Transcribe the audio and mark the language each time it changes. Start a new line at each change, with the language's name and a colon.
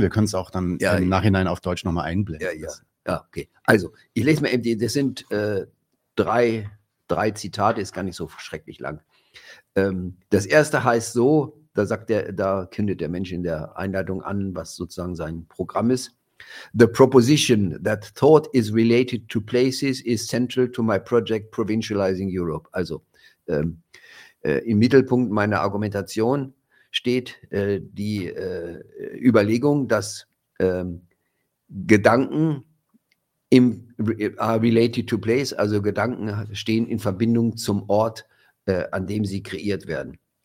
German: Wir können es auch dann im Nachhinein auf Deutsch nochmal einblenden. Ja, okay. Also, ich lese mir eben, das sind drei Zitate, ist gar nicht so schrecklich lang. Das erste heißt so, da kündet der Mensch in der Einleitung an, was sozusagen sein Programm ist.
English: The proposition that thought is related to places is central to my project Provincializing Europe.
German: Also im Mittelpunkt meiner Argumentation steht die Überlegung, dass Gedanken
English: are related to place,
German: also Gedanken stehen in Verbindung zum Ort, an dem sie kreiert werden.